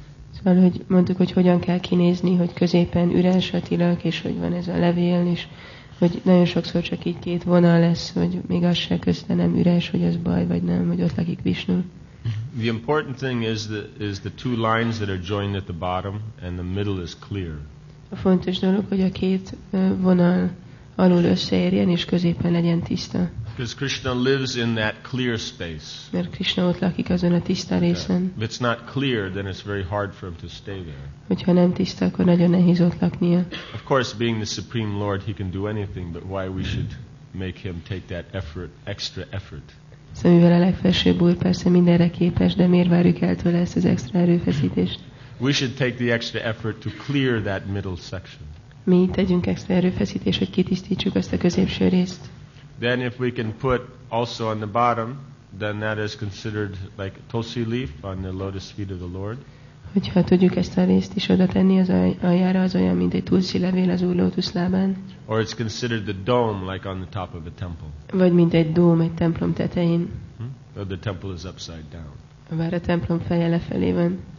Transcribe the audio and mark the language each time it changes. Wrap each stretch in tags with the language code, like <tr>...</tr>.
<hu>Szóval, hogy mondtuk, hogy hogyan kell kinézni, hogy középen üres a tilak, és hogy van ez a levél, és hogy nagyon sokszor csak így két vonal lesz, hogy még az se közte nem üres, hogy ez baj, vagy nem, hogy ott lakik Vishnu.</hu> <en>The important thing is the two lines that are joined at the bottom, and the middle is clear.</en> <hu>A fontos dolog, hogy a két vonal alul összeérjen, és középen legyen tiszta.</hu> <en>Because Krishna lives in that clear space.</en> <hu>Mert Krishna ott lakik azon a tiszta részen.</hu> <en>If it's not clear, then it's very hard for him to stay there.</en> <hu>Hogyha nem tiszta, akkor nagyon nehéz ott laknia.</hu> <en>Of course, being the Supreme Lord, he can do anything, but why we should make him take that effort, extra effort?</en> <hu>Szóval a legfelsőbb úr persze mindenre képes, de miért várjuk el tőle ezt az extra erőfeszítést?</hu> <en>We should take the extra effort to clear that middle section.</en> <hu>Mi tegyünk extra erőfeszítést, hogy kitisztítsuk ezt a középső részt.</hu> <en>Then if we can put also on the bottom, then that is considered like tulsi leaf on the lotus feet of the Lord.</en> <hu>Hogyha tudjuk ezt a részt is oda tenni az aljára, az olyan, mint egy tulsi levél az Úr lótus lábán.</hu> <en>Or it's considered the dome, like on the top of a temple.</en> <hu>Vagy mint egy dóm, egy templom tetején.</hu> <en>Or the temple is upside down.</en> <hu>Vár a templom feje lefelé van.</hu>